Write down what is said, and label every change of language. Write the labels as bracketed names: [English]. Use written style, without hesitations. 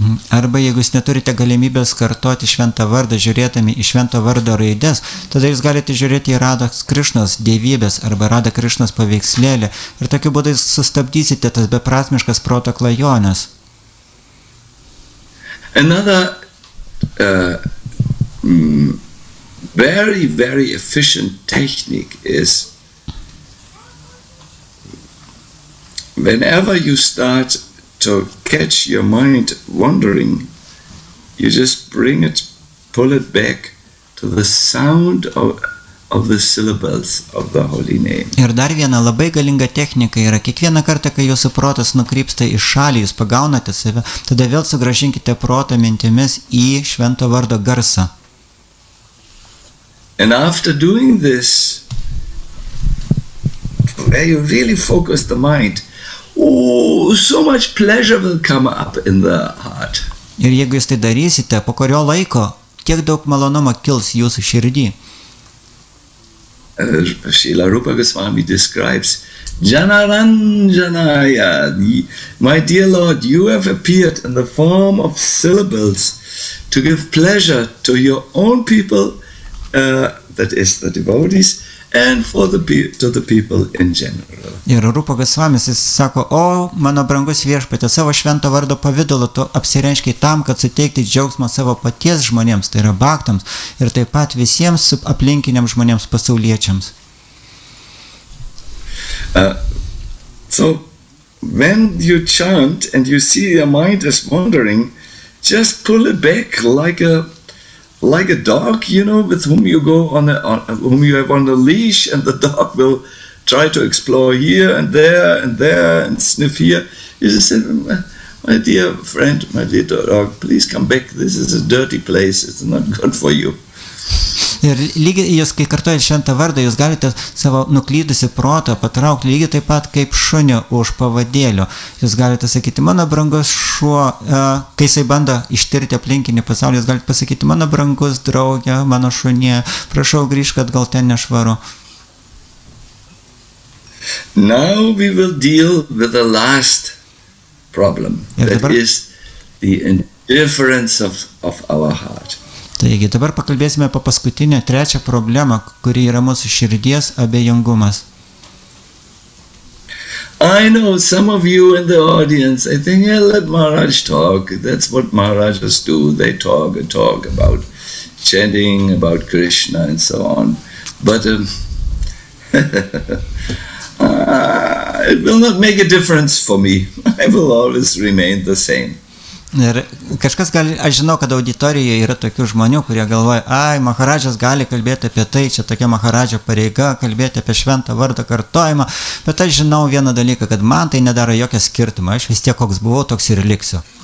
[Lithuanian] Arba jeigu jūs neturite galimybės kartoti šventą vardą, žiūrėtami į švento vardo raides, tada jūs galite žiūrėti į Radha Krishnos dievybės arba Radha Krishnos paveikslėlį ir tokiu būdu jūs sustabdysite tas beprasmiškas proto klajones. [English] Another very, very efficient technique is whenever you start to catch your mind wandering, you just bring it, pull it back to the sound of the syllables of the holy name. [Lithuanian] Ir dar viena labai galinga technika yra, kiekvieną kartą, kai jūsų protas nukrypsta į šalį, jūs pagaunate save, tada vėl sugražinkite protą mintimis į švento vardo garsą. [English] And after doing this, where you really focus the mind, so much pleasure will come up in the heart. [Lithuanian] Ir jeigu jūs tai darysite, po kurio laiko, kiek daug malonumo kils jūsų širdį. [English] Srila Rupa Gosvami describes Janaranjanaya, my dear Lord, you have appeared in the form of syllables to give pleasure to your own people, that is the devotees, and for the to the people in general. [Lithuanian] Ir Rupa Gosvami sako, o mano brangus viešpatė, savo švento vardo pavidalu tu apsireiškiai tam, kad suteikti džiaugsmą savo paties žmonėms, tai yra baktams, ir taip pat visiems aplinkiniams žmonėms pasauliečiams. [English] So when you chant and you see your mind is wandering, just pull it back like a dog, you know, with whom you go whom you have on the leash, and the dog will try to explore here and there and sniff here. You just say, my dear friend, my dear dog, please come back. This is a dirty place. It's not good for you. [Lithuanian] Ir lygiai jūs, kai kartuojat šventą vardą, jūs galite savo nuklydusi protą patraukti lygiai taip pat kaip šunio už pavadėlio. Jūs galite sakyti, mano brangus šuo, kai jisai bando ištirti aplinkinį pasaulį, jūs galite pasakyti, mano brangus draugė, mano šunė, prašau grįžk, kad gal ten nešvaru. [English] Now we will deal with the last problem, that is the indifference of our heart. [Lithuanian] Taigi, dabar pakalbėsime apie paskutinę, trečią problemą, kuri yra mūsų širdies abejingumas. [English] I know some of you in the audience, I think, yeah, let Maharaj talk. That's what Maharajas do. They talk and talk about chanting, about Krishna and so on. But it will not make a difference for me. I will always remain the same. [Lithuanian] Ir kažkas gali, aš žinau, kad auditorijoje yra tokių žmonių, kurie galvoja, ai, Maharadžas gali kalbėti apie tai, čia tokia Maharadžio pareiga, kalbėti apie šventą vardą kartojimą, bet aš žinau vieną dalyką, kad man tai nedaro jokią skirtumą, aš vis tiek koks buvau, toks ir liksiu.